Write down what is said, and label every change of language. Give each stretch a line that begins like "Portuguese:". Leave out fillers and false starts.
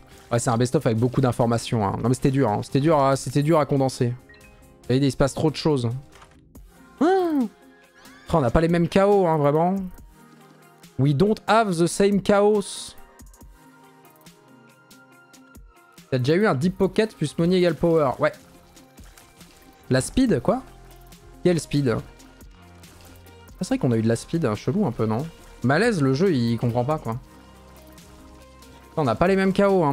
French: Ouais, c'est un best-of avec beaucoup d'informations. Hein. Non mais c'était dur, hein. c'était dur à condenser. Vous voyez, il se passe trop de choses. Oh, on a pas les mêmes chaos, hein, vraiment.
English: We don't have the same chaos.
French: T'as déjà eu un deep pocket plus money égale power. Ouais. La speed, quoi? Quelle speed? Ah, c'est vrai qu'on a eu de la speed, hein, chelou un peu, non? Malaise, le jeu, il comprend pas, quoi. On n'a pas les mêmes KO, hein.